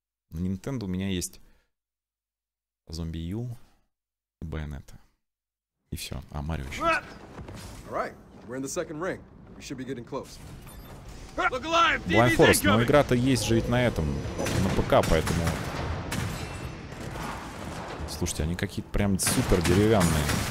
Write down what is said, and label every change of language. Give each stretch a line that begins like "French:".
Russian: На Nintendo у меня есть Zombie U и Bayonetta. И все. А, Марио еще.
English: Alright, we're in the second ring. We should be getting close.
Russian: Blind Forest, но игра-то есть же ведь на этом. На ПК, поэтому. Слушайте, они какие-то прям супер деревянные.